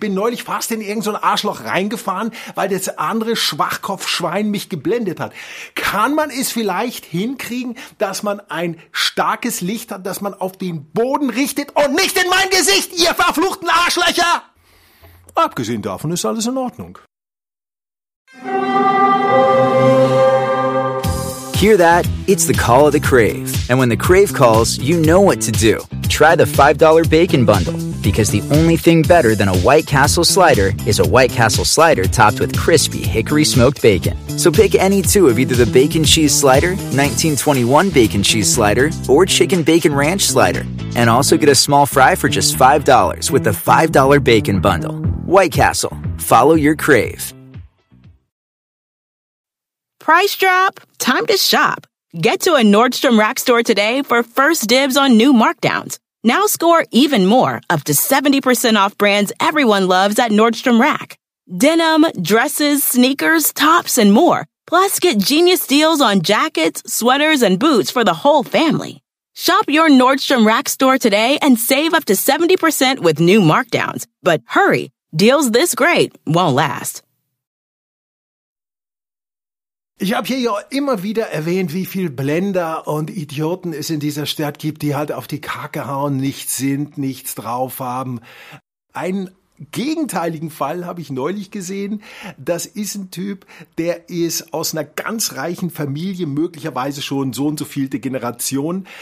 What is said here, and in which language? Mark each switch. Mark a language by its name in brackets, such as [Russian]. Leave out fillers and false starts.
[German] Bin neulich fast in irgendein Arschloch reingefahren, weil das andere Schwachkopfschwein mich geblendet hat. Kann man es vielleicht hinkriegen, dass man ein starkes Licht hat, das man auf den Boden richtet und nicht in mein Gesicht, ihr verfluchten Arschlöcher? Abgesehen davon ist alles in Ordnung. [English] Hear that? It's the call of the Crave. And when the Crave calls, you know what to do. Try the $5 Bacon Bundle. Because the only thing better than a White Castle slider is a White Castle slider topped with crispy hickory smoked bacon. So pick any two of either the Bacon Cheese Slider, 1921 Bacon Cheese Slider, or Chicken Bacon Ranch Slider. And also get a small fry for just $5 with the $5 Bacon Bundle. White Castle. Follow your Crave. Price drop? Time to shop. Get to a Nordstrom Rack store today for first dibs on new markdowns. Now score even more, up to 70% off brands everyone loves at Nordstrom Rack. Denim, dresses, sneakers, tops, and more. Plus, get genius deals on jackets, sweaters, and boots for the whole family. Shop your Nordstrom Rack store today and save up to 70% with new markdowns. But hurry, deals this great won't last. [German] Ich habe hier ja immer wieder erwähnt, wie viel Blender und Idioten es in dieser Stadt gibt, die halt auf die Kacke hauen, nichts sind, nichts drauf haben. Einen gegenteiligen Fall habe ich neulich gesehen. Das ist ein Typ, der ist aus einer ganz reichen Familie, möglicherweise schon so und so vielte Generation.